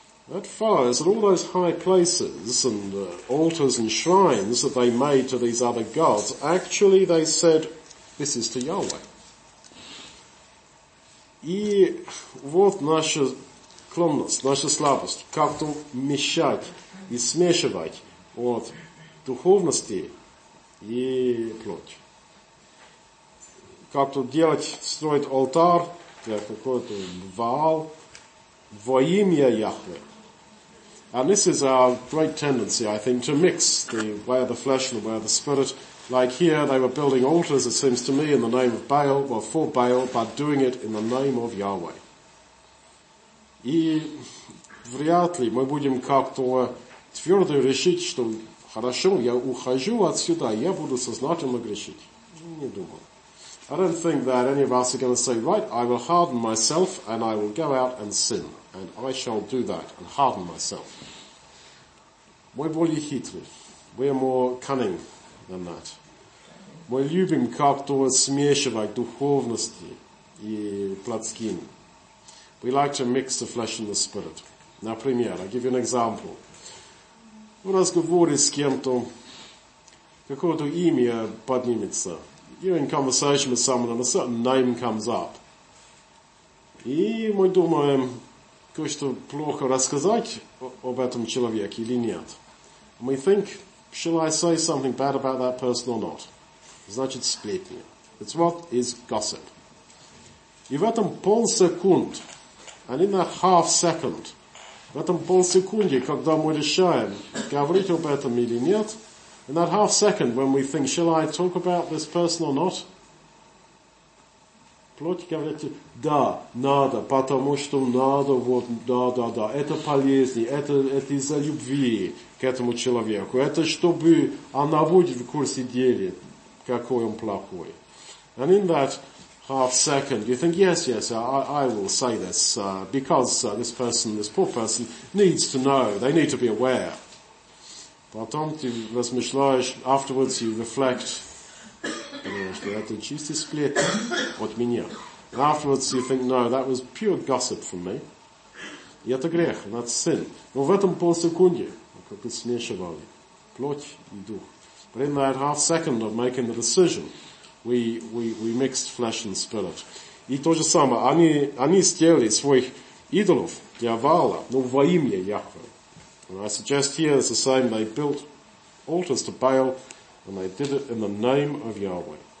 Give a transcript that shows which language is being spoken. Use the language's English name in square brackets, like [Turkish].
[English] That follows that all those high places and altars and shrines that they made to these other gods, actually they said, this is to Yahweh. [Russian] И вот наша клонность, наша слабость, как-то мешать и смешивать от духовности и плоть. Как-то делать, строить алтар для какого-то Ваал во имя Яхве. [English] And this is our great tendency, I think, to mix the way of the flesh and the way of the spirit. Like here, they were building altars, it seems to me, in the name of Baal, well, for Baal, but doing it in the name of Yahweh. [Russian] И вряд ли мы будем как-то твердо решить, что хорошо, я ухожу отсюда, я буду сознательно грешить. Не думаю. [English] I don't think that any of us are going to say, right, I will harden myself and I will go out and sin. And I shall do that and harden myself. [Russian] Мы более хитрые. [English] We are more cunning than that. [Russian] Мы любим как-то смешивать духовности и плотским. [English] We like to mix the flesh and the spirit. [Russian] Например, [English] I'll give you an example. [Russian] В разговоре с кем-то, какое-то имя поднимется. [English] You're in conversation with someone and a certain name comes up. [Russian] И мы думаем, кое-что плохо рассказать об этом человеке или нет. [English] We think, shall I say something bad about that person or not? [Russian] Значит, сплетни. [English] It's what is gossip. [Russian] И в этом полсекунд, [English] and in that half second, [Russian] в этом полсекунде, когда мы решаем, говорить об этом или нет, [English] in that half second, when we think, shall I talk about this person or not? [Russian] Плоть говорит, да, надо, потому что надо, вот, да, да, да, это полезнее, это из-за любви к этому человеку, это чтобы она будет в курсе дела, какой он плохой. [English] And in that half second, you think, yes, yes, I will say this, because this person, this poor person, needs to know, they need to be aware. [Russian] Потом ты размышляешь, [English] afterwards you reflect, [Russian] понимаешь, что это чистый сплет от меня. [English] And afterwards you think, no, that was pure gossip from me. [Russian] И это грех, [English] that's sin. [Russian] Но в этом полсекунде, как бы смешивали, плоть и дух. [English] But in that half second of making the decision, we mixed flesh and spirit. [Russian] И то же самое, они сделали своих идолов для Ваала, но во имя Яхве. [English] And I suggest here it's the same. They built altars to Baal, and they did it in the name of Yahweh.